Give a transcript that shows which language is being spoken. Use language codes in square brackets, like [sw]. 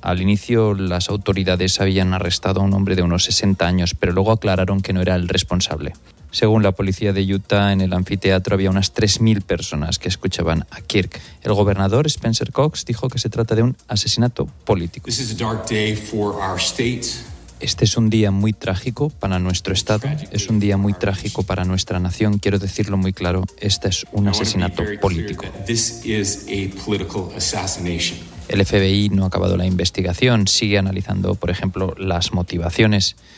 [es] Al inicio, las autoridades habían arrestado a un hombre de unos 60 años, pero luego aclararon que no era el responsable. Según la policía de Utah, en el anfiteatro había unas 3.000 personas que escuchaban a Kirk. El gobernador Spencer Cox dijo que se trata de un asesinato político. [en] This is a dark day for our state. [es] Este es un día muy trágico para nuestro estado, es un día muy trágico para nuestra nación. Quiero decirlo muy claro, este es un asesinato político. [en] This is a political assassination. [es] El FBI no ha acabado la investigación, sigue analizando, por ejemplo, las motivaciones.